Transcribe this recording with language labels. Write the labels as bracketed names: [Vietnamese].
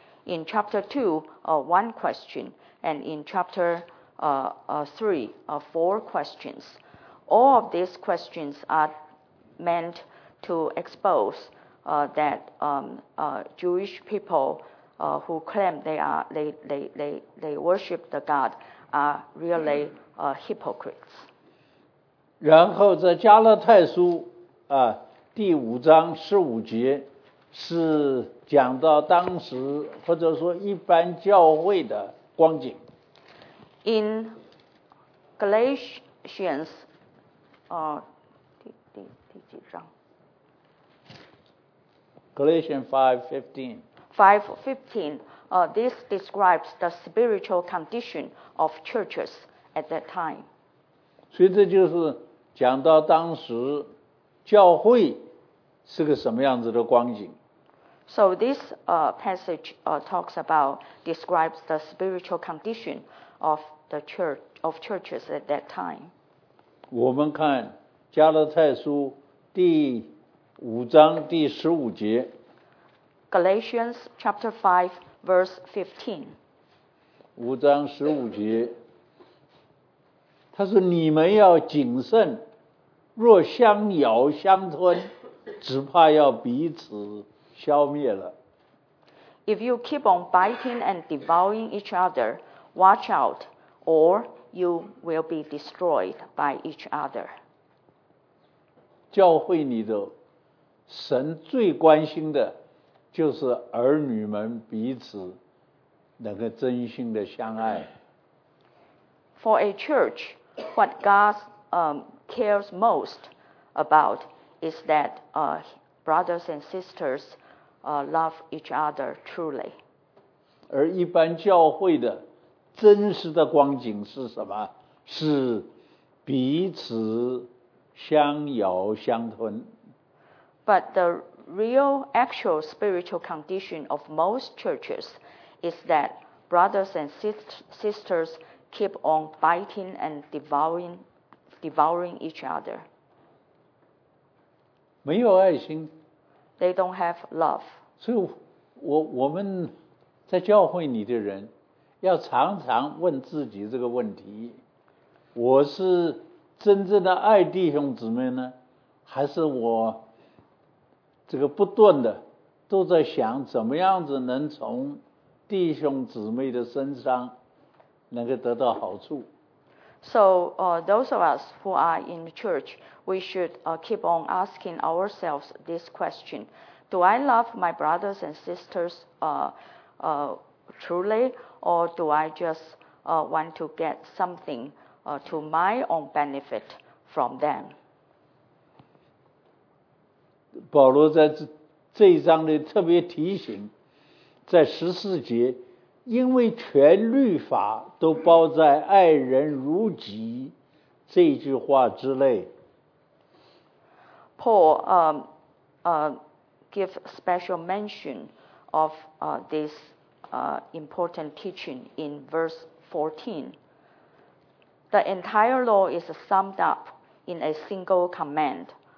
[English] In chapter 2, one question. And in chapter 3, four questions. All of these questions are meant to expose that Jewish people who claim they worship the God are really hypocrites. [Chinese] 然后在加勒太书第五章十五节是讲到当时或者说一般教会的光景。 [English] In Galatians, [Chinese] 第几章？ [English] Galatians 5:15. This describes the spiritual condition of churches at that time. [Chinese] 所以这就是讲到当时教会是个什么样子的光景。 [English] So this passage talks about describes the spiritual condition of the church of churches at that time. [Chinese] 我们看加勒太书第五章第十五节。 [English] Galatians chapter 5 verse 15. [Chinese] 五章十五节，他说：“你们要谨慎，若相咬相吞，只怕要彼此消灭了。” [English] If you keep on biting and devouring each other, watch out, or you will be destroyed by each other. [Chinese] 教会里的神最关心的就是儿女们彼此能够真心的相爱。 [English] For a church, what God cares most about is that brothers and sisters love each other truly. [Chinese] 而一般教会的真实的光景是什么？是彼此相咬相吞。 [English] But the real actual spiritual condition of most churches is that brothers and sisters keep on biting and devouring each other. [Chinese] 没有爱心。 [English] They don't have love. [Chinese] 所以我们在教会里的人要常常问自己这个问题。我是真正的爱弟兄姊妹呢，还是我这个不断的都在想怎么样子能从弟兄姊妹的身上能够得到好处。 [English] So, those of us who are in church, we should keep on asking ourselves this question. Do I love my brothers and sisters truly, or do I just want to get something to my own benefit from them? [Chinese] 保罗在这一章里特别提醒，在十四节，因为全律法都包在爱人如己这句话之内。 [English] Paul gives special mention of this important teaching in verse 14. The entire law is summed up in a single command.